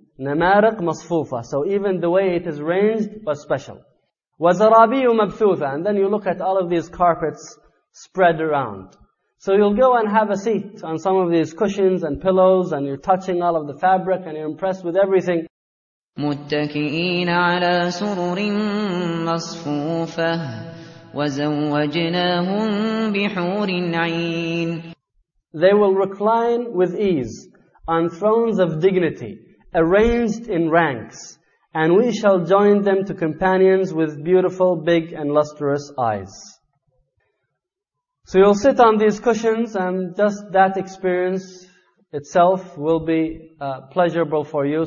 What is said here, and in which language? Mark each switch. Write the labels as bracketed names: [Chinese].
[Arabic] نَمَارِقْ مَصْفُوفَةً. [English] So even the way it is arranged was special. [Arabic] وَزَرَابِيُّ مَبْثُوثَةً. [English] And then you look at all of these carpets spread around. So you'll go and have a seat on some of these cushions and pillows and you're touching all of the fabric and you're impressed with everything. [Arabic] متكئين على سرر مصفوفة وزوجناهم بحور عين. [English] They will recline with ease on thrones of dignity, arranged in ranks, and we shall join them to companions with beautiful, big and lustrous eyes. So you'll sit on these cushions and just that experience itself will be pleasurable for you.